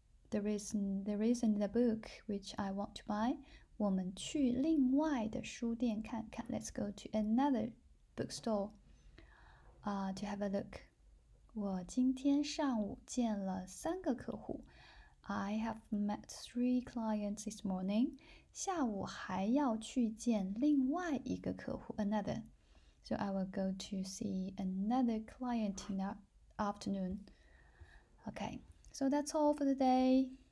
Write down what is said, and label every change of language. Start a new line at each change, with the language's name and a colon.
English: There isn't the book which I want to buy.
Chinese: 我们去另外的书店看看。
English: Let's go to another bookstore, to have a look.
Chinese: 我今天上午见了三个客户。
English: I have met 3 clients this morning.
Chinese: 下午还要去见另外一个客户。
English: Another. So I will go to see another client in the afternoon. Okay, so that's all for the day.